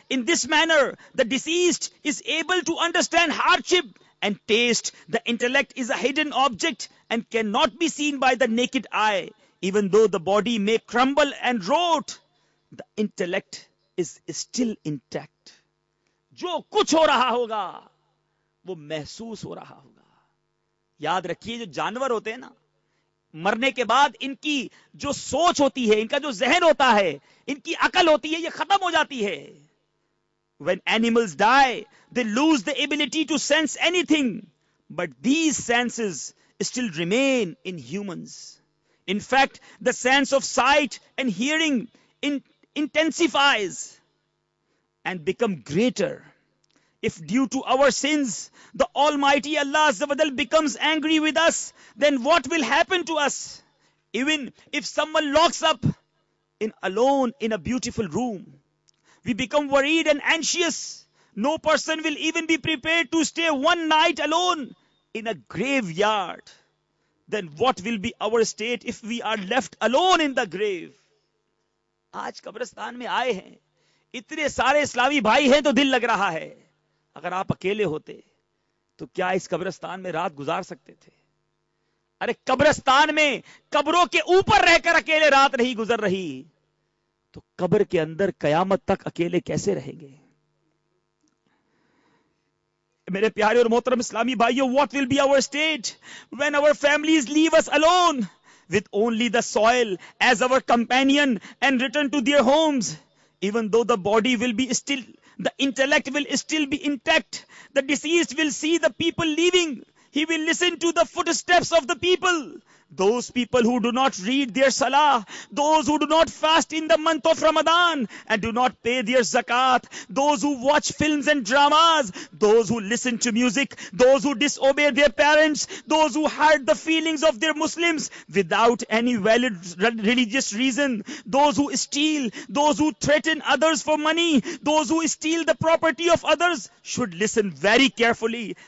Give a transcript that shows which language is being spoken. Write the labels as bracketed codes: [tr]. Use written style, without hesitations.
[en] In this manner, the deceased is able to understand hardship and taste. The intellect is a hidden object and cannot be seen by the naked eye. Even though the body may crumble and rot, the intellect is still intact. [ur] Jo kuch ho raha hoga, wo mehsoos ho raha hoga. Yaad rakhiye, jo janwar hote hai na, مرنے کے بعد ان کی جو سوچ ہوتی ہے, ان کا جو ذہن ہوتا ہے, ان کی عقل ہوتی ہے, یہ ختم ہو جاتی ہے. [en] When animals die, they lose the ability to sense anything, but these senses still remain in humans. In fact, the sense of sight and hearing intensifies and become greater. If due to our sins, the Almighty Allah Azza wa Jal becomes angry with us, then what will happen to us? Even if someone locks up in alone in a beautiful room, we become worried and anxious. No person will even be prepared to stay one night alone in a graveyard. Then what will be our state if we are left alone in the grave? [ur] Aaj kabristan mein aaye hain, itne sare islami bhai hain to dil lag raha hai, اگر آپ اکیلے ہوتے تو کیا اس قبرستان میں رات گزار سکتے تھے؟ ارے قبرستان میں قبروں کے اوپر رہ کر اکیلے رات نہیں گزر رہی تو قبر کے اندر قیامت تک اکیلے کیسے رہیں گے؟ میرے پیارے اور محترم اسلامی بھائیو, [en] what will be our state when our families leave us alone with only the soil as our companion and return to their homes? Even though the body will be still, the intellect will still be intact. The deceased will see the people leaving, He will listen to the footsteps of the people. Those people who do not read their salah, those who do not fast in the month of Ramadan and do not pay their zakat, those who watch films and dramas, those who listen to music, those who disobey their parents, those who hurt the feelings of their Muslims without any valid religious reason, those who steal, those who threaten others for money, those who steal the property of others, should listen very carefully.